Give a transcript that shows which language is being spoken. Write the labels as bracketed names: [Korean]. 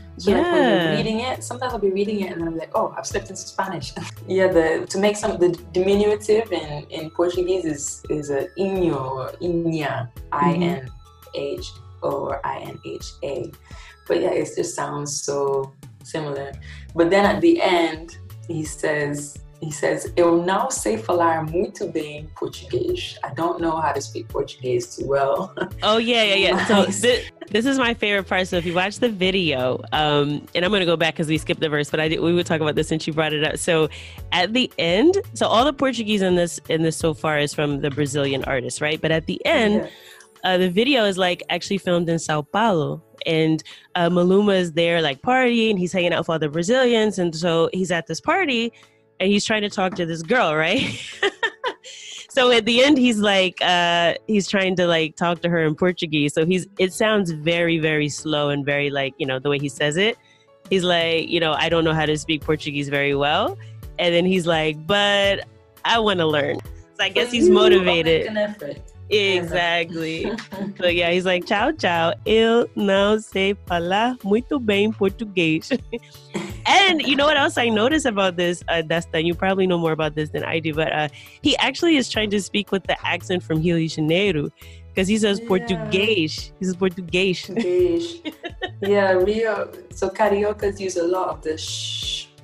[English] So yeah. Like when you're reading it, sometimes I'll be reading it and then I'm like, oh, I've slipped into Spanish. Yeah, the diminutive in Portuguese is a inho or inha, I-N-H or I-N-H-A. But yeah, it just sounds so similar. But then at the end, he says, [Portuguese] eu não sei falar muito bem português. [English] I don't know how to speak Portuguese too well. Oh, yeah. So this is my favorite part. So if you watch the video, and I'm going to go back because we skipped the verse, but we would talk about this since you brought it up. So at the end, so all the Portuguese in this so far is from the Brazilian artist, right? But at the end, yeah. The video is like actually filmed in Sao Paulo. And Maluma is there like partying. He's hanging out with all the Brazilians. And so he's at this party. And he's trying to talk to this girl, right? So at the end, he's like, he's trying to like talk to her in Portuguese. So it sounds very, very slow and very like, you know, the way he says it. He's like, you know, I don't know how to speak Portuguese very well. And then he's like, but I want to learn. So I guess he's motivated. Make an effort. Exactly. So yeah, he's like, [Portuguese] tchau, tchau. Eu não sei falar muito bem português. [English] And you know what else I noticed about this, Desta? You probably know more about this than I do, but he actually is trying to speak with the accent from Rio de Janeiro, because he says Portuguese. He says Portuguese. Rio. So cariocas use a lot of the shh.